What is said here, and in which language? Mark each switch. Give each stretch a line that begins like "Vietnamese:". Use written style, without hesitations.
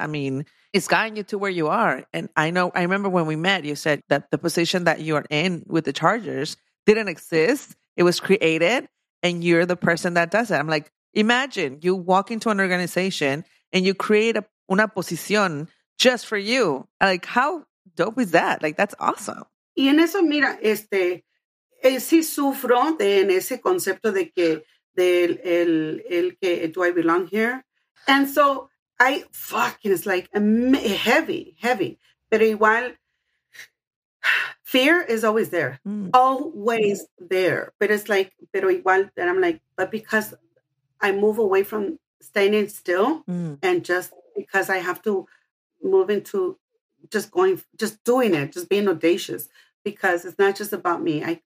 English: I mean, it's gotten you to where you are. And I know, I remember when we met, you said that the position that you are in with the Chargers didn't exist. It was created. And you're the person that does it. I'm like, imagine you walk into an organization and you create a
Spanish: una posición
English: just for you. Like, how dope is that? Like, that's awesome.
Spanish: Y en eso, mira, sí sufro de, en ese concepto de que, de el que,
English: do I belong here? And so, it's like heavy, heavy.
Spanish: Pero igual,
English: fear is always there, always there. But it's like,
Spanish: pero igual,
English: and I'm like, but because I move away from standing still and just because I have to move into just going, just doing it, just being audacious, because it's not just about me.